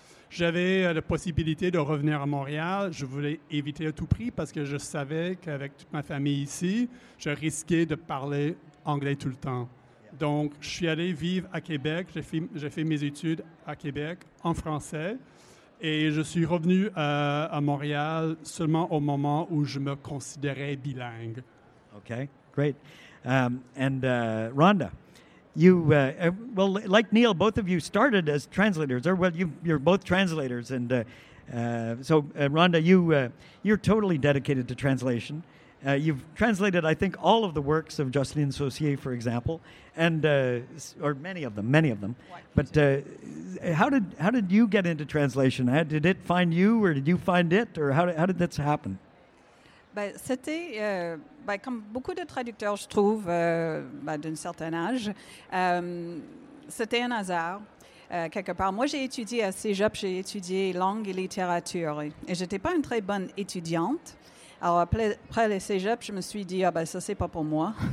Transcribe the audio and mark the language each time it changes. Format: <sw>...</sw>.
<fr>J'avais la possibilité de revenir à Montréal. Je voulais éviter à tout prix parce que je savais qu'avec toute ma famille ici, je risquais de parler anglais tout le temps. Donc, je suis allé vivre à Québec. J'ai fait mes études à Québec en français. Et je suis revenu à Montréal seulement au moment où je me considérais bilingue.</fr> <en>Okay, great. Rhonda, you well, like Neil, both of you started as translators, or well, you're both translators, and So, Rhonda, you're totally dedicated to translation. You've translated, I think, all of the works of Jocelyne Saussier, for example, and or many of them. But how did you get into translation? Did it find you, or did you find it, or how did this happen?</en> <fr>C'était comme beaucoup de traducteurs, je trouve, d'un certain âge, c'était un hasard. Quelque part. Moi, j'ai étudié à Cégep, j'ai étudié langue et littérature. Et je n'étais pas une très bonne étudiante. Alors, après le Cégep, je me suis dit, ah ben ça, c'est pas pour moi.</fr>